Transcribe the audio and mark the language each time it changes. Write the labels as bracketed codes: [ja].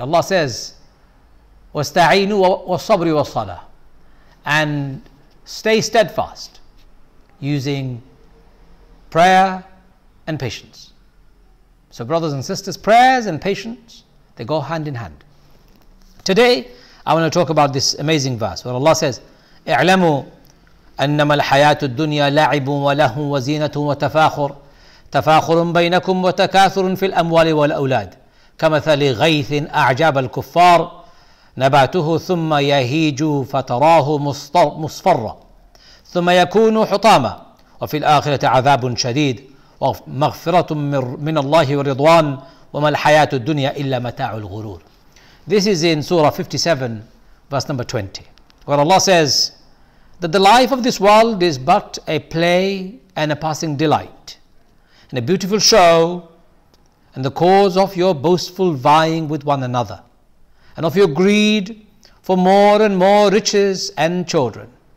[en] Allah says [ar] wasta'inu was-sabri was-salah, [en] and stay steadfast using prayer and patience. So brothers and sisters, prayers and patience, they go hand in hand. Today, I want to talk about this amazing verse where Allah says, [ar] اعلموا أنما الحياة الدنيا لعب ولهو وزينة وتفاخر تفاخر بينكم وتكاثر في الأموال والأولاد كمثل غيث أعجب الكفار نباته ثم يهيج فتراه مصفرا ثم يكون حطاما وفي الآخرة عذاب شديد ومغفرة من الله ورضوان وما الحياة الدنيا إلا متاع الغرور. [en] This is in Surah 57, verse number 20, where Allah says that the life of this world is but a play and a passing delight and a beautiful show and the cause of your boastful vying with one another and of your greed for more and more riches and children.